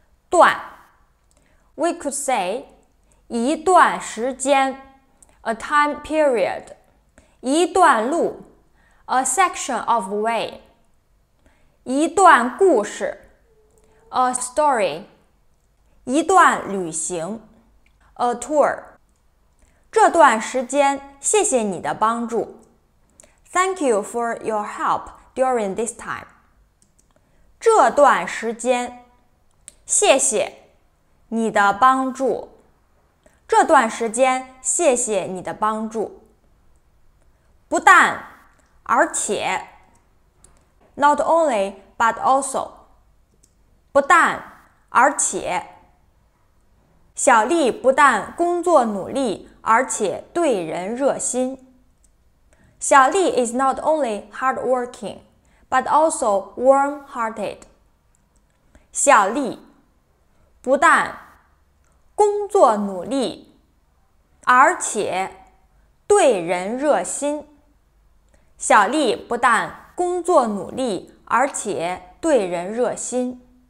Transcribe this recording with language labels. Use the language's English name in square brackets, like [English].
[Chinese] 段 , [English] we could say, [Chinese] 一段时间 , [English] a time period, [Chinese] 一段路 , [English] a section of way, [Chinese] 一段故事 [English] A story, [Chinese] 一段旅行 , [English] a tour. [Chinese] 这段时间谢谢你的帮助。 [English] Thank you for your help during this time. [Chinese] 这段时间，谢谢你的帮助。这段时间，谢谢你的帮助。不但，而且。 [English] Not only, but also. [Chinese] 不但，而且。小丽不但工作努力，而且对人热心。 [English] 小丽 is not only hardworking, but also warm-hearted. [Chinese] 小丽不但工作努力，而且对人热心。小丽不但工作努力，而且对人热心。